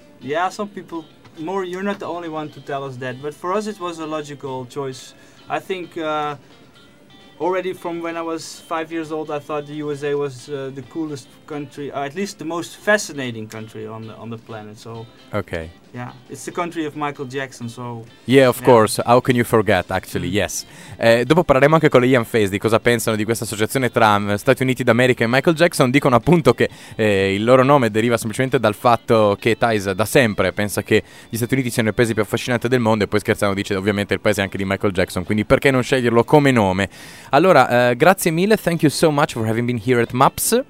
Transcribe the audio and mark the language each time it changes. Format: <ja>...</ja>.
<en>Yeah, some people, more, you're not the only one to tell us that, but for us it was a logical choice, I think. Already from when I was 5 years old, I thought the USA was the coolest country, or at least the most fascinating country on the planet. So, okay. Yeah, it's the country of Michael Jackson, so... Yeah, of course. How can you forget, actually? Yes.</en> <it>Dopo parleremo anche con le Ian Faze di cosa pensano di questa associazione tra Stati Uniti d'America e Michael Jackson. Dicono appunto che il loro nome deriva semplicemente dal fatto che Thijs da sempre pensa che gli Stati Uniti siano il paese più affascinante del mondo, e poi scherzando dice ovviamente il paese anche di Michael Jackson, quindi perché non sceglierlo come nome? Allora, grazie mille.</it> <en>Thank you so much for having been here at MAPS.</en>